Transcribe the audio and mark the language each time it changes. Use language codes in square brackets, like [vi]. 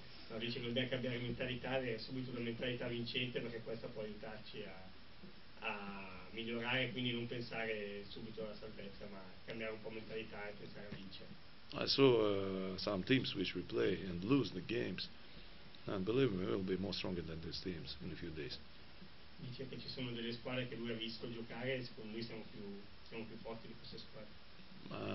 [it] No, dice che dobbiamo cambiare mentalità, è subito la mentalità vincente, perché questa può aiutarci a migliorare, quindi non pensare subito alla salvezza, ma cambiare un po' mentalità e pensare a vincere. [en] I saw some teams which we play and lose the games, and believe me, we'll be more stronger than these teams in a few days. [it] Dice che ci sono delle squadre che lui ha visto giocare e secondo lui siamo più forti di queste squadre.